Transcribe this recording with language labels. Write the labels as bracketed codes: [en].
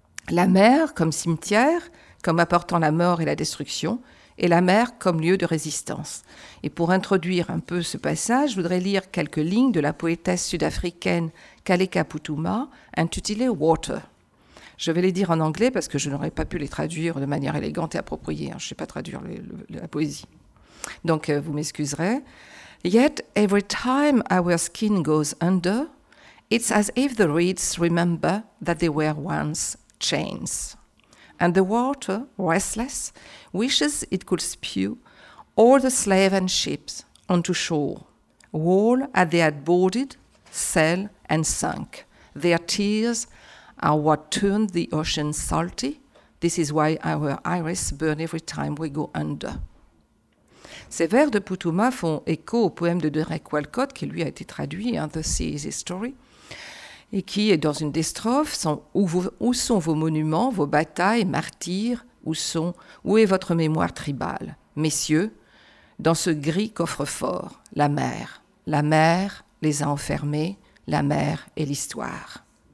[fr] La mer comme cimetière, comme apportant la mort et la destruction, et la mer comme lieu de résistance. Et pour introduire un peu ce passage, je voudrais lire quelques lignes de la poétesse sud-africaine Kaleka Putuma, intitulée « Water ». Je vais les dire en anglais parce que je n'aurais pas pu les traduire de manière élégante et appropriée. Je ne sais pas traduire la poésie. Donc, vous m'excuserez. [en] « Yet every time our skin goes under, it's as if the reeds remember that they were once chains. » And the water, restless, wishes it could spew all the slave and ships onto shore, all as they had boarded, sail, and sunk. Their tears are what turned the ocean salty. This is why our iris burn every time we go under. [fr] Ces vers de Putuma font écho au poème de Derek Walcott, qui lui a été traduit, hein, The Sea is a Story, et qui est dans une des strophes, où sont vos monuments, vos batailles, martyrs, où est votre mémoire tribale? Messieurs, dans ce gris coffre-fort, la mer les a enfermés, la mer et l'histoire.